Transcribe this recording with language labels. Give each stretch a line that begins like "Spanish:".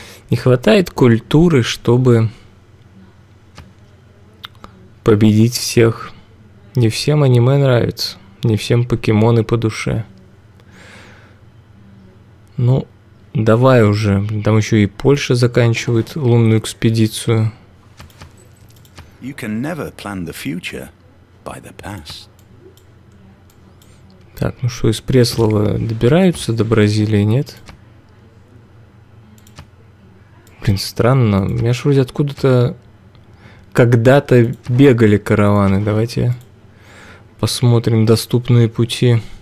Russian: Не хватает культуры, чтобы победить всех. Не всем аниме нравится, не всем покемоны по душе. Ну, давай уже, там еще и Польша заканчивает лунную экспедицию.
English: You can never plan the future by the past.
Russian: Так, ну что, из Преслова добираются до Бразилии, нет? Блин, странно, у меня ж вроде откуда-то когда-то бегали караваны. Давайте посмотрим доступные пути.